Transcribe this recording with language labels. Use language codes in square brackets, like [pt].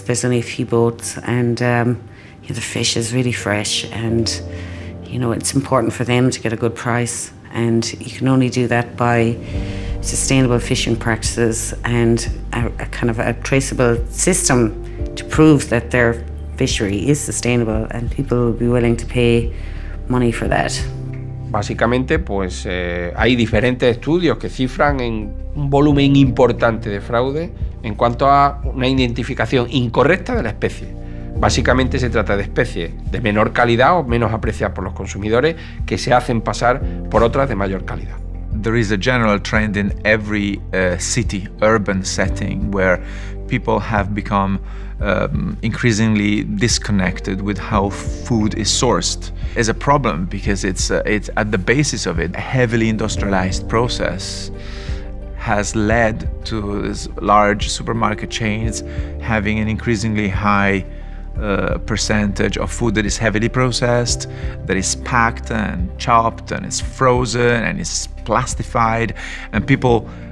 [en] There's only a few boats, and you know, the fish is really fresh, and you know, it's important for them to get a good price, and you can only do that by sustainable fishing practices and a kind of a traceable system to prove that their fishery is sustainable, and people will be willing to pay money for that. [es] Básicamente, pues hay diferentes estudios que cifran en un volumen importante de fraude en cuanto a una identificación incorrecta de la especie. Básicamente se trata de especies de menor calidad o menos apreciadas por los consumidores que se hacen pasar por otras de mayor calidad. [en] There is a general trend in every city, urban setting, where people have become increasingly disconnected with how food is sourced. It's a problem because it's at the basis of it. A heavily industrialized process has led to large supermarket chains having an increasingly high percentage of food that is heavily processed, that is packed and chopped and is frozen and is plastified, and people